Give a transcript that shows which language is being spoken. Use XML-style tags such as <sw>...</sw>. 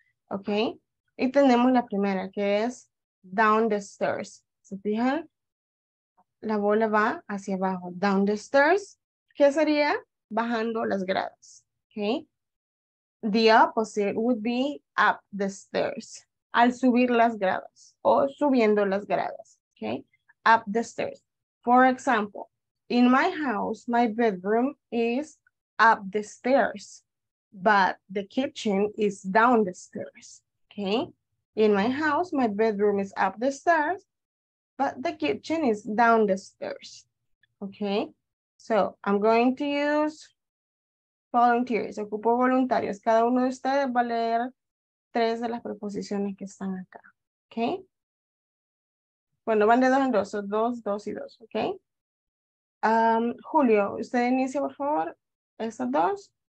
<es>Okay. Y tenemos la primera que es</es> <en>down the stairs.</en> <es>¿Se fijan? La bola va hacia abajo.</es> <en>Down the stairs.</en> <es>¿Qué sería? Bajando las gradas.</es> <en>Okay. The opposite would be up the stairs.</en> <es>Al subir las gradas o subiendo las gradas.</es> <en>Okay. Up the stairs. For example, in my house, my bedroom is up the stairs, but the kitchen is down the stairs, okay? In my house, my bedroom is up the stairs, but the kitchen is down the stairs, okay? So I'm going to use volunteers.</en> <es>Ocupo voluntarios. Cada uno de ustedes va a leer 3 de las preposiciones que están acá, okay? Bueno, van de 2 en 2, so 2, 2 y 2, okay? Julio, usted inicia, por favor, estas 2.</es>